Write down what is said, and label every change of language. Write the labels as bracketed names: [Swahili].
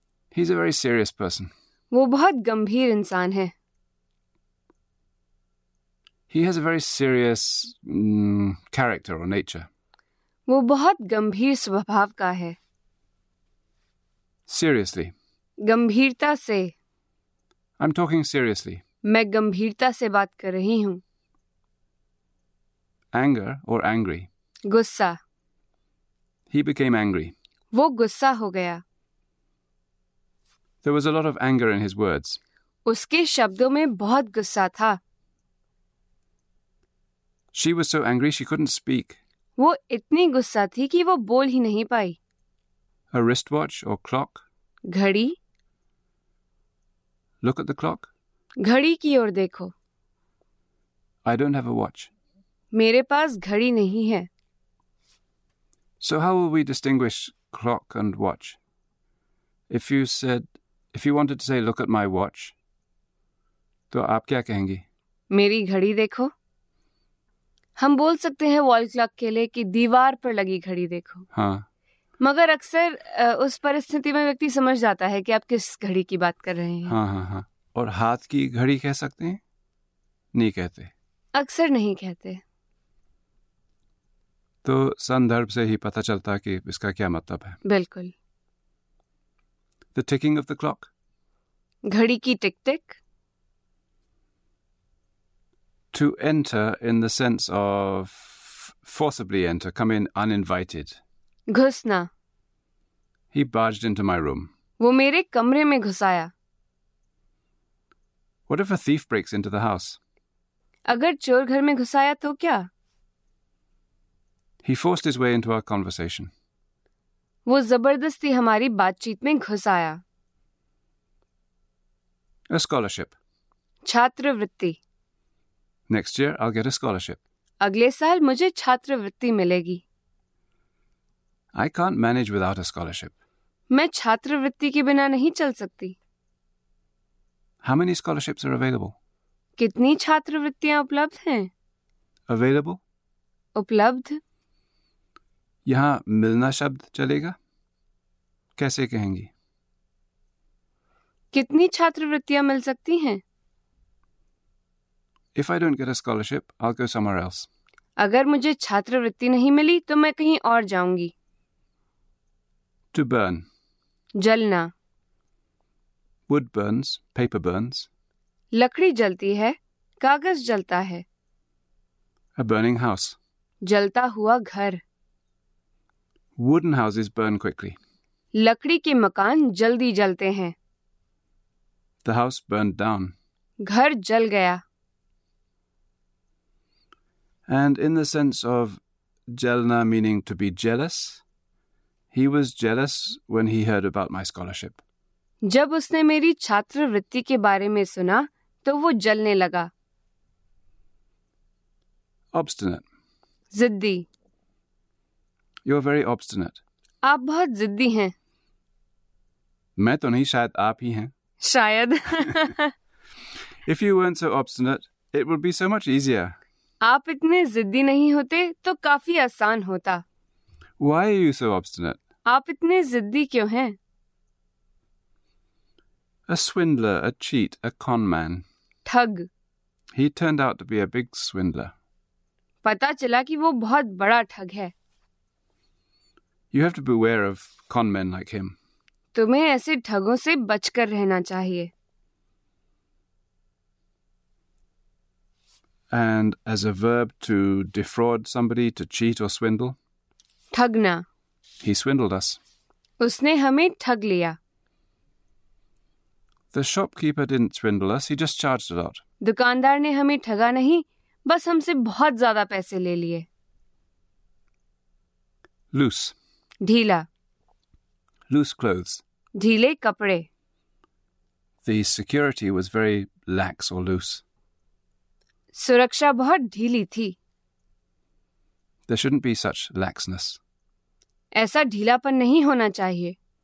[English] He's a very serious person. [Hindi] वो बहुत गंभीर इंसान है. [English] He has a very serious character or nature. [Hindi] वो बहुत गंभीर स्वभाव का है. [English] Seriously. [Hindi] गंभीरता से. [English] I'm talking seriously. [Hindi] मैं गंभीरता से बात कर रही हूँ. [English] Anger or angry. [Hindi] गुस्सा. [English] He became angry. [Hindi] वो गुस्सा हो गया. [English] There was a lot of anger in his words. [Hindi] उसके शब्दों में बहुत गुस्सा था. [English] She was so angry she couldn't speak. [Hindi] वो इतनी गुस्सा थी कि वो बोल ही नहीं पाई. [English] A wristwatch or clock? [Hindi] घड़ी. [English] Look at the clock. [Hindi] घड़ी की ओर देखो। [English] I don't have a watch. [Hindi] मेरे पास घड़ी नहीं है। [English] So how will we distinguish clock and watch? If you wanted to say, look at my watch, [Hindi] तो आप क्या कहेंगी? मेरी घड़ी देखो। हम बोल सकते हैं वॉल क्लॉक के लिए कि दीवार पर लगी घड़ी देखो। हाँ। मगर अक्सर उस परिस्थिति में व्यक्ति समझ जाता है कि आप किस घड़ी की बात कर रहे हैं। हाँ हाँ हाँ। और हाथ की घड़ी कह सकते हैं? नहीं कहते। अक्सर नहीं कहते। तो संदर्भ से ही पता चलता कि इसका क्या मतलब है। बिल्कुल। [English] The ticking of the clock. [Hindi] घड़ी की टिक टिक। [English] To enter in the sense of forcibly enter, come in uninvited. [Hindi] घुसना। [English] He barged into my room. [Hindi] वो मेरे कमरे में घुसाया। [English] What if a thief breaks into the house? [Hindi] अगर चोर घर में घुसाया तो क्या? [English] He forced his way into our conversation. [Hindi] वो जबरदस्ती हमारी बातचीत में घुस आया। [English] A scholarship. [Hindi] छात्रवृत्ति। [English] Next year I'll get a scholarship. [Hindi] अगले साल मुझे छात्रवृत्ति मिलेगी। [English] I can't manage without a scholarship. [Hindi] मैं छात्रवृत्ति के बिना नहीं चल सकती। [English] How many scholarships are available? [Hindi] कितनी छात्रवृत्तियां उपलब्ध हैं? [English] Available? [Hindi] उपलब्ध? यहां मिलना शब्द चलेगा? कैसे कहेंगी? कितनी छात्रवृत्तियां मिल सकती हैं? [English] If I don't get a scholarship, I'll go somewhere else. [Hindi] अगर मुझे छात्रवृत्ति नहीं मिली तो मैं कहीं और जाऊंगी। [English] To burn. [Hindi] जलना। [English] Wood burns, paper burns. [Hindi] लकड़ी जलती है, कागज जलता है। [English] A burning house. [Hindi] जलता हुआ घर। [English] Wooden houses burn quickly. [Hindi] लकड़ी के मकान जल्दी जलते हैं। [English] The house burned down. [Hindi] घर जल गया। [English] And in the sense of jalna meaning to be jealous, he was jealous when he heard about my scholarship. [Hindi] जब उसने मेरी छात्रवृत्ति के बारे में सुना तो वो जलने लगा। [English] Obstinate. [Hindi] जिद्दी। [English] You're very obstinate. [Hindi] आप बहुत जिद्दी हैं। मैं तो नहीं, शायद आप ही हैं। शायद। [English] If you weren't so obstinate, it would be so much easier. [Hindi] आप इतने जिद्दी नहीं होते तो काफी आसान होता। [English] Why are you so obstinate? [Hindi] आप इतने जिद्दी क्यों हैं? [English] A swindler, a cheat, a con man. [Hindi] ठग। [English] He turned out to be a big swindler. [Hindi] पता चला कि वो बहुत बड़ा ठग है। [English] You have to beware of con men like him. [Hindi] तुम्हें ऐसे ठगों से बचकर रहना चाहिए। [English] And as a verb to defraud somebody, to cheat or swindle. [Hindi] ठगना। [English] He swindled us. [Hindi] उसने हमें ठग लिया। [English] The shopkeeper didn't swindle us, he just charged a lot. [Hindi] दुकानदार ने हमें ठगा नहीं, बस हमसे बहुत ज्यादा पैसे ले लिए। [English] Loose. [Hindi] ढीला। [English] Loose clothes. [Hindi] ढीले कपड़े। [English] The security was very lax or loose. [Hindi] सुरक्षा बहुत ढीली थी। [English] There shouldn't be such laxness. [Hindi] ऐसा ढीलापन नहीं होना चाहिए।